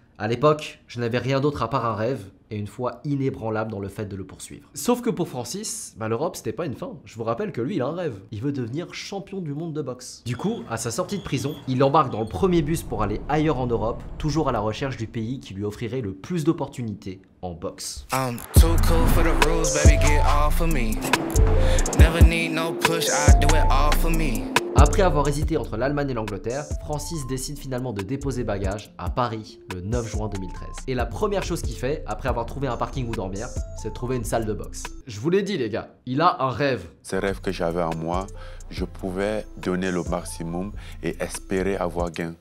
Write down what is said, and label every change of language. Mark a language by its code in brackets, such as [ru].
[fr] À l'époque, je n'avais rien d'autre à part un rêve et une foi inébranlable dans le fait de le poursuivre. Sauf que pour Francis, bah l'Europe, c'était pas une fin. Je vous rappelle que lui, il a un rêve. Il veut devenir champion du monde de boxe. Du coup, à sa sortie de prison, il embarque dans le premier bus pour aller ailleurs en Europe, toujours à la recherche du pays qui lui offrirait le plus d'opportunités en boxe. [en] I'm too cool for the rules, baby, get off of me. Never need no push, I do it all for me. [fr] Après avoir hésité entre l'Allemagne et l'Angleterre, Francis décide finalement de déposer bagages à Paris le 9 juin 2013. Et la première chose qu'il fait, après avoir trouvé un parking où dormir, c'est de trouver une salle de boxe. Je vous l'ai dit les gars, il a un rêve. Ce rêve que j'avais en moi, je pouvais donner le maximum et espérer avoir gain.